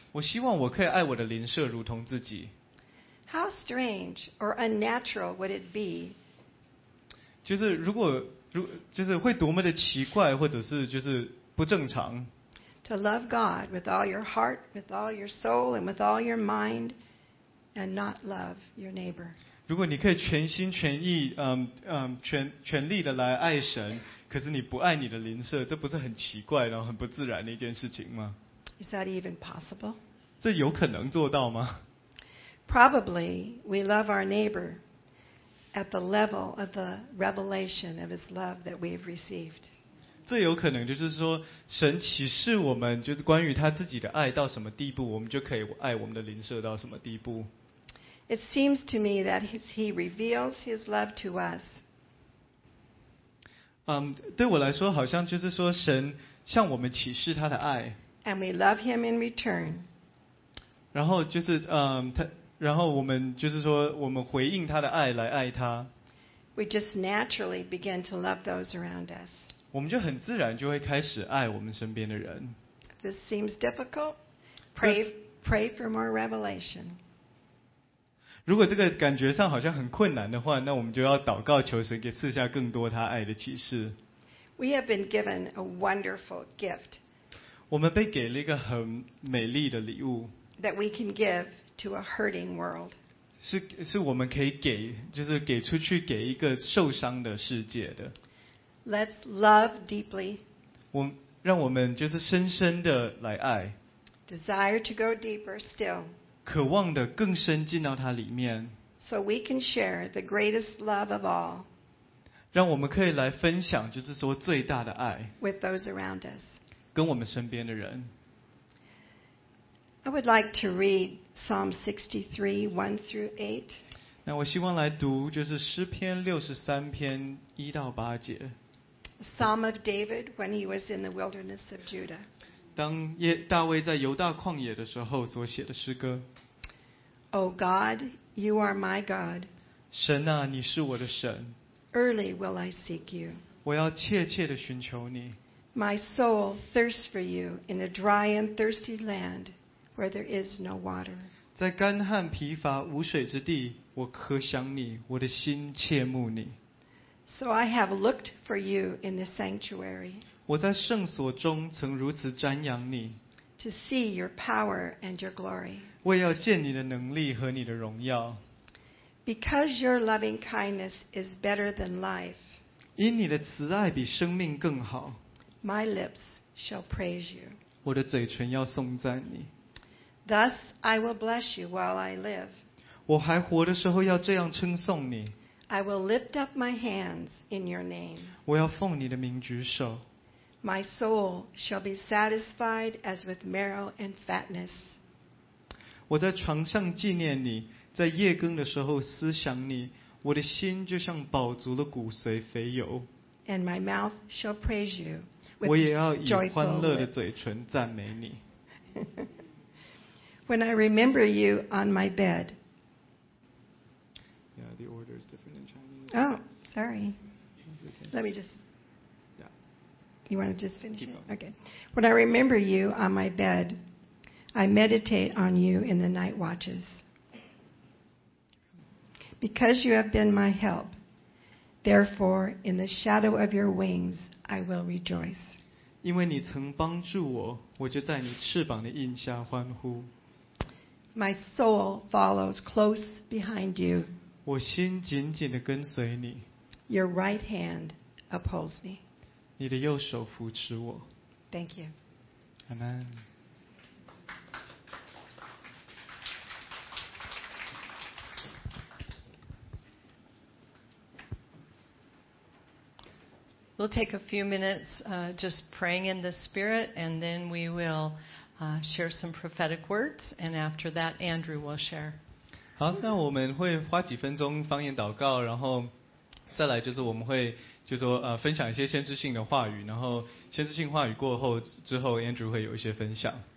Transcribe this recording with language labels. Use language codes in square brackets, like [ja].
[zh] 我希望我可以爱我的邻舍如同自己。 [en] How strange or unnatural would it be? [zh] 就是就是会多么的奇怪，或者是就是不正常。 [en] To love God with all your heart, with all your soul, and with all your mind, and not love your neighbor. [zh] 如果你可以全心全意、全力的来爱神，可是你不爱你的邻舍，这不是很奇怪，然后很不自然的一件事情吗？ [en] Is that even possible? [zh] 这有可能做到吗？ [en] Probably we love our neighbor at the level of the revelation of his love that we've received. [zh] 最有可能就是说，神启示我们就是关于他自己的爱到什么地步，我们就可以爱我们的邻舍到什么地步。 [en] It seems to me that he reveals his love to us. [zh] 对我来说，好像就是说神向我们启示他的爱。 [en] And we love him in return. [zh] 然后就是然后我们就是说我们回应他的爱来爱他。 [en] We just naturally begin to love those around us. [zh] 我们就很自然就会开始爱我们身边的人。 [en] This seems difficult. Pray for more revelation. [zh] 如果这个感觉上好像很困难的话，那我们就要祷告求神给赐下更多他爱的启示。 [en] We have been given a wonderful gift. [zh] 我们被给了一个很美丽的礼物。 [en] That we can give to a hurting world. [zh] 是我们可以给，就是给出去给一个受伤的世界的。 [en] Let's love deeply. [zh] 让我们就是深深的来爱。 [en] Desire to go deeper still. [zh] 渴望的更深进到他里面 [en] ，so we can share the greatest love of all， [zh] 让我们可以来分享，就是说最大的爱 [en] ，with those around us， [zh] 跟我们身边的人。 [en] I would like to read Psalm 63:1-8。 [zh] 那我希望来读就是诗篇63篇一到八节。 [en] Psalm of David when he was in the wilderness of Judah。 [zh] 当耶大卫在犹大旷野的时候所写的诗歌。 [en] O God, you are my God. [zh] 神啊，你是我的神。 [en] Early will I seek you. [zh] 我要切切地寻求你。 [en] My soul thirsts for you in a dry and thirsty land where there is no water. [zh] 在干旱疲乏无水之地，我渴想你，我的心切慕你。 [en] So I have looked for you in the sanctuary. [zh] 我在圣所中曾如此瞻仰你 [en] ，to see your power and your glory， [zh] 我要见你的能力和你的荣耀。 [en] Because your loving kindness is better than life， [zh] 因你的慈爱比生命更好。 [en] My lips shall praise you， [zh] 我的嘴唇要颂赞你。 [en] Thus I will bless you while I live， [zh] 我还活的时候要这样称颂你。 [en] I will lift up my hands in your name， [zh] 我要奉你的名举手。 [en] My soul shall be satisfied as with marrow and fatness. [zh] 我在床上纪念你，在夜更的时候思想你，我的心就像饱足了骨髓肥油。 [en] And my mouth shall praise you. [zh] 我也要以欢乐的嘴唇赞美你。 [en] When I remember you on my bed. Yeah, the order is different in Chinese. Oh, sorry. Let me just. You want to just finish it? Okay. When I remember you on my bed, I meditate on you in the night watches. Because you have been my help, therefore, in the shadow of your wings, I will rejoice. [zh] 因为你曾帮助我，我就在你翅膀的荫下欢呼。 [en] My soul follows close behind you. [zh] 我心紧紧地跟随你。 [en] Your right hand upholds me. [zh] 你的右手扶持我。 [en] Thank you. Amen. We'll take a few minutes just praying in the Spirit, and then we will share some prophetic words. And after that, Andrew will share. [zh] 好，那我们会花几分钟方言祷告，然后再来就是我们会。就说分享一些先知性的话语，然后先知性话语过后之后 ，Andrew 会有一些分享。